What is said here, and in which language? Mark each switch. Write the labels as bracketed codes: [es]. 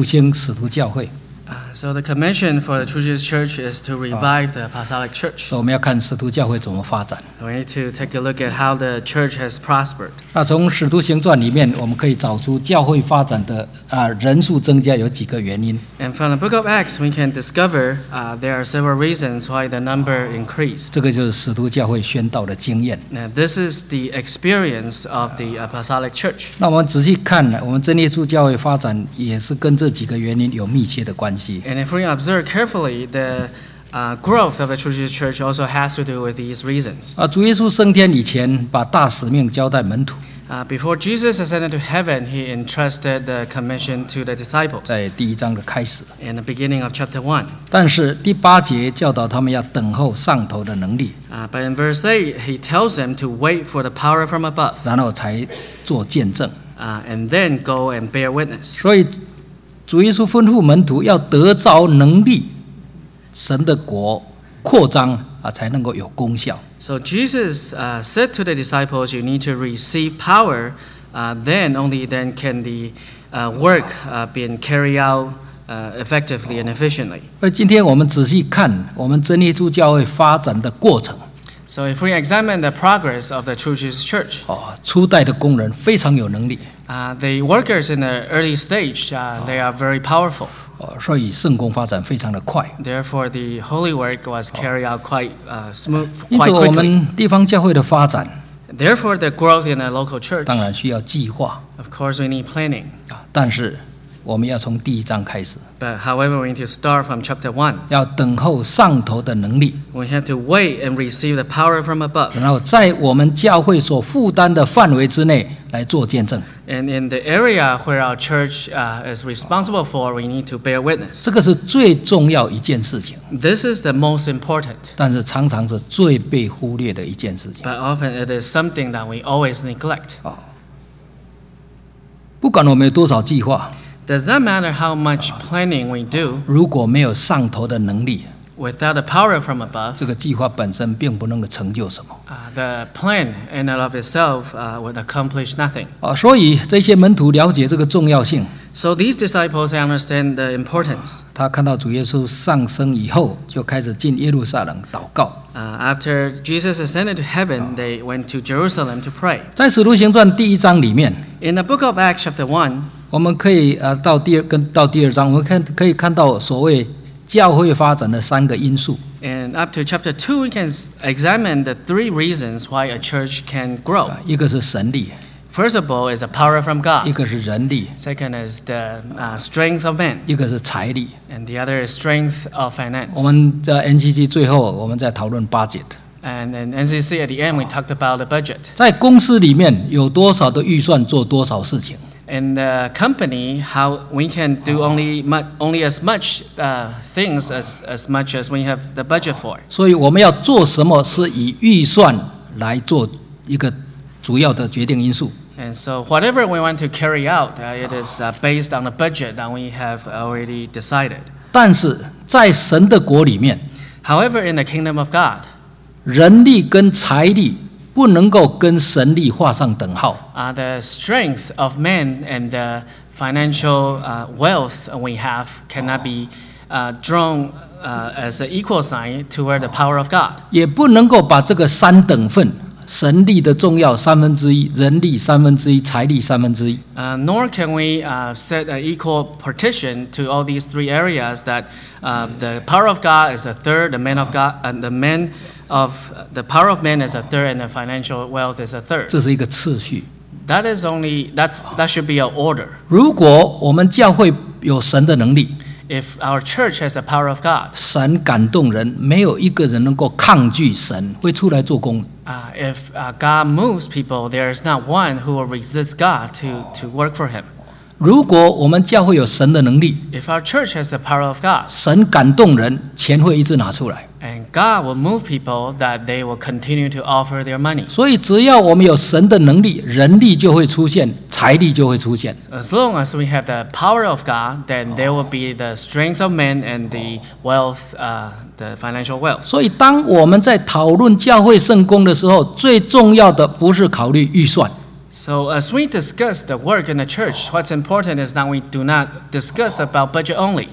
[en] the commission for the True Jesus Church is to revive the Apostolic Church. So we need to take a look at how the church has prospered. [zh] 那从《使徒行传》里面，我们可以找出教会发展的人数增加有几个原因。 [en] And from the Book of Acts, we can discover there are several reasons why the number increased. [zh] 这个就是使徒教会宣道的经验。 [en] Now this is the experience of the Apostolic Church. [zh] 那我们仔细看呢，我们真耶稣教会发展也是跟这几个原因有密切的关系。 [en] And if we observe carefully, the growth of the True Jesus Church also has to do with these reasons. [zh] 主耶稣升天以前，把大使命交代门徒。 [en] Before Jesus ascended to heaven, he entrusted the commission to the disciples. [zh] 在第一章的开始。 [en] In the beginning of chapter 1. [zh] 但是第八节教导他们要等候上头的能力。 [en] But in verse 8, he tells them to wait for the power from above. [zh] 然后才做见证。 [en] And then go and bear witness. [zh] 所以主耶稣吩咐门徒要得着能力，神的国扩张才能够有功效。 [en] So Jesus said to the disciples, "You need to receive power, then only then can the work being carried out effectively and efficiently." [zh] 今天我们仔细看我们真耶稣教会发展的过程。 [en] So if we examine the progress of the True Jesus Church, [zh] 初代的工人非常有能力。 [en] The workers in the early stage, they are very powerful. [zh] 所以圣工发展非常的快。 [en] Therefore, the holy work was carried out quite smooth, quite quickly. [zh] 因此，我们地方教会的发展。 [en] Therefore, the growth in the local church. [zh] 当然需要计划。 [en] Of course, we need planning. [zh] 但是我们要从第一章开始。 [en] But however, we need to start from chapter 1. [zh] 要等候上头的能力。 [en] We have to wait and receive the power from above. [zh] 然后在我们教会所负担的范围之内来做见证。 [en] And in the area where our church is responsible for, we need to bear witness. [zh] 这个是最重要一件事情。 [en] This is the most important. [zh] 但是常常是最被忽略的一件事情。 [en] But often it is something that we always neglect. [zh] 不管我们有多少计划。 [en] Does that matter how much planning we do? [zh] 如果没有上头的能力。 [en] Without the power from above, [zh] 这个计划本身并不能够成就什么。 [en] The plan in and of itself would accomplish nothing. [zh] 所以这些门徒了解这个重要性。 [en] So these disciples understand the importance. [zh] 他看到主耶稣上升以后，就开始进耶路撒冷祷告。 [en] After Jesus ascended to heaven, they went to Jerusalem to pray. [zh] 在《使徒行传》第一章里面。 [en] In the book of Acts, chapter 1, [zh] 我们可以到第二章，我们可以看到所谓教会发展的三个因素。 [en] And up to chapter 2, we can examine the three reasons why a church can grow. [zh] 一个是神力。 [en] First of all, is the power from God. [zh] 一个是人力。 [en] Second is the strength of man. [zh] 一个是财力。 [en] And the other is strength of finance. [zh] 我们在 NCC 最后，我们在讨论 budget. [en] And in NCC at the end, we talked about the budget. [zh] 在公司里面有多少的预算做多少事情。 [en] In the company, how we can do only as much things as much as we have the budget for. [zh] 所以我们要做什么是以预算来做一个主要的决定因素。 [en] And so whatever we want to carry out, it is based on the budget that we have already decided. [zh] 但是在神的国里面， [en] However, in the kingdom of God, [zh] 人力跟财力不能够跟神力画上等号。 [en] The strength of man and the financial wealth we have cannot be drawn as an equal sign toward the power of God. [zh] 也不能够把这个三等份，神力的重要三分之一，人力三分之一，财力三分之一。 [en] Nor can we set an equal partition to all these three areas that the power of God is a third, the man of God and the man. The power of man is a third, and the financial wealth is a third. [zh] 这是一个次序。 [en] That is only that should be our order. [zh] 如果我们教会有神的能力 [en] ，If our church has the power of God， [zh] 神感动人，没有一个人能够抗拒神，会出来做工。 [en] If God moves people, there is not one who will resist God to work for Him. [zh] 如果我们教会有神的能力 [en] ，If our church has the power of God， [zh] 神感动人，钱会一直拿出来。 [en] And God will move people that they will continue to offer their money. [zh] 所以只要我们有神的能力，人力就会出现，财力就会出现。 [en] As long as we have the power of God, then there will be the strength of men and the wealth, the financial wealth. [zh] 所以当我们在讨论教会圣工的时候，最重要的不是考虑预算。 [en] So as we discuss the work in the church, what's important is that we do not discuss about budget only.